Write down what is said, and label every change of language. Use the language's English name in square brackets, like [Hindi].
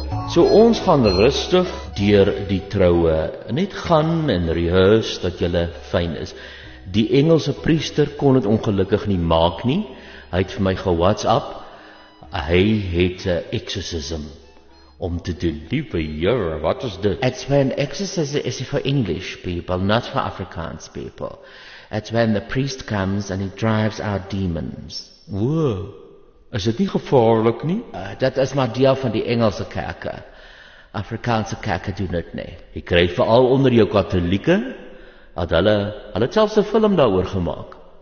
[Afrikaans] So ons gaan rustig deur die troue. Net gaan en rehearse dat julle fyn is. Die Engelse priester kon het ongelukkig nie maak nie. Hy het vir my ge-WhatsApp. Hy het 'n exorcism om te doen. Liewe Here, wat is dit? [English] It's when exorcism is for English people, not for Afrikaans people. It's when the priest comes and he drives out demons. [Afrikaans] Woe, is dit nie gevaarlik nie? Dat is maar deel van die Engelse kerke. Afrikaanse kerke doen dit nie. Jy kry veral onder jou katolieke, dat hulle het selfs 'n film daaroor gemaak.